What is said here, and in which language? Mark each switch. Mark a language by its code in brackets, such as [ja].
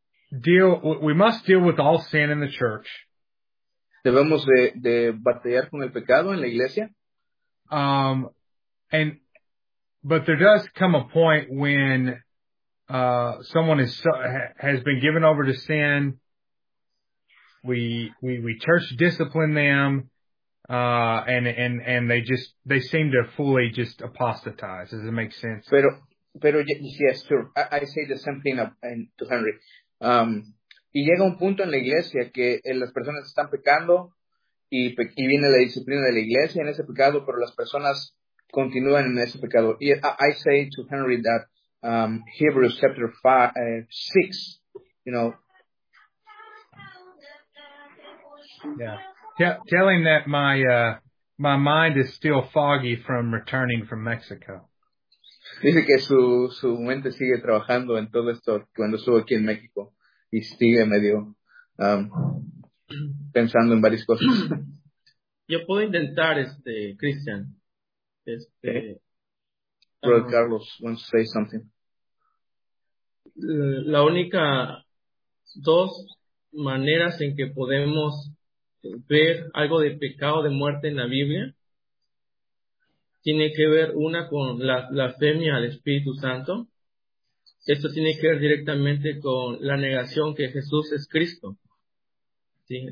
[en] We must deal with all sin in the church. [es] Debemos de batallar con el pecado en la iglesia. [en] But there does come a point when someone has been given over to sin. We church discipline them, and they seem to fully just apostatize. Does it make sense? [es] Pero [en] yes, sure. I say the same thing to Henry. [es] Y llega un punto en la iglesia que las personas están pecando y viene la disciplina de la iglesia en ese pecado, pero las personas continúan en ese pecado. Y [en] I say to Henry that Hebrews chapter 6, you know. Yeah, telling that my mind is still foggy from returning from Mexico. [es] Dice que su mente sigue trabajando en todo esto cuando estuvo aquí en México y sigue medio pensando en varias cosas. Yo puedo intentar, Christian. [en] Brother Carlos wants to say something. [es] La única dos maneras en que podemos ver algo de pecado de muerte en la Biblia tiene que ver una con la blasfemia al Espíritu Santo. Esto tiene que ver directamente con la negación que Jesús es Cristo. ¿Sí?